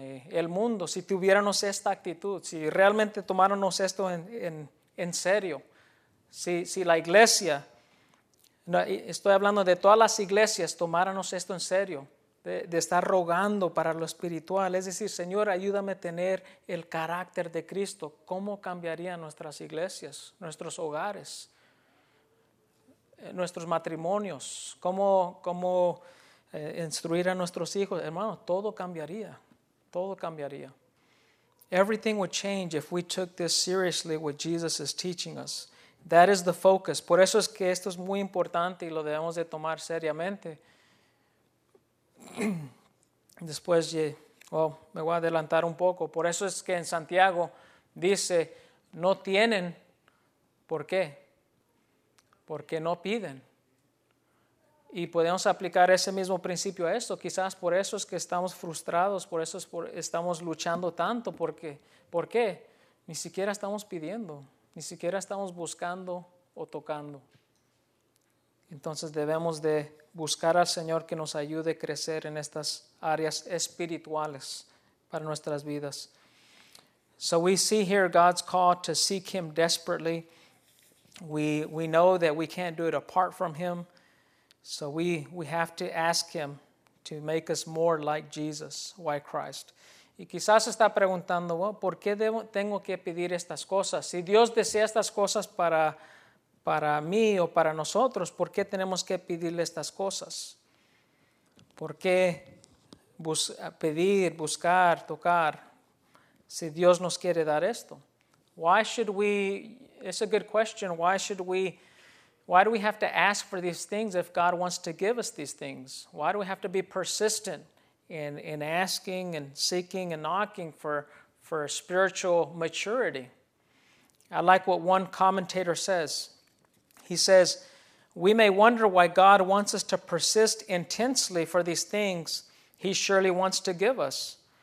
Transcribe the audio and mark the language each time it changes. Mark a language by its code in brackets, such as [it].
[es] El mundo, si tuviéramos esta actitud, si realmente tomáramos esto en serio, si la iglesia, estoy hablando de todas las iglesias, tomáramos esto en serio, de estar rogando para lo espiritual, es decir, Señor, ayúdame a tener el carácter de Cristo, ¿cómo cambiarían nuestras iglesias, nuestros hogares, nuestros matrimonios? ¿Cómo instruir a nuestros hijos? Hermano, todo cambiaría. Todo cambiaría. [en] Everything would change if we took this seriously what Jesus is teaching us. That is the focus. [es] Por eso es que esto es muy importante y lo debemos de tomar seriamente. Después, me voy a adelantar un poco. Por eso es que en Santiago dice, no tienen. ¿Por qué? Porque no piden. Y podemos aplicar ese mismo principio a esto. Quizás por eso es que estamos frustrados, por eso es que estamos luchando tanto. ¿Por qué? Ni siquiera estamos pidiendo, ni siquiera estamos buscando o tocando. Entonces debemos de buscar al Señor que nos ayude a crecer en estas áreas espirituales para nuestras vidas. [en] So we see here God's call to seek Him desperately. We know that we can't do it apart from Him. So we have to ask Him to make us more like Jesus, like Christ. [es] Y quizás está preguntando, ¿por qué tengo que pedir estas cosas? Si Dios desea estas cosas para mí o para nosotros, ¿por qué tenemos que pedirle estas cosas? ¿Por qué buscar, tocar, si Dios nos quiere dar esto? [en] It's a good question. Why do we have to ask for these things if God wants to give us these things? Why do we have to be persistent in asking and seeking and knocking for spiritual maturity? I like what one commentator says. He says, we may wonder why God wants us to persist intensely for these things He surely wants to give us.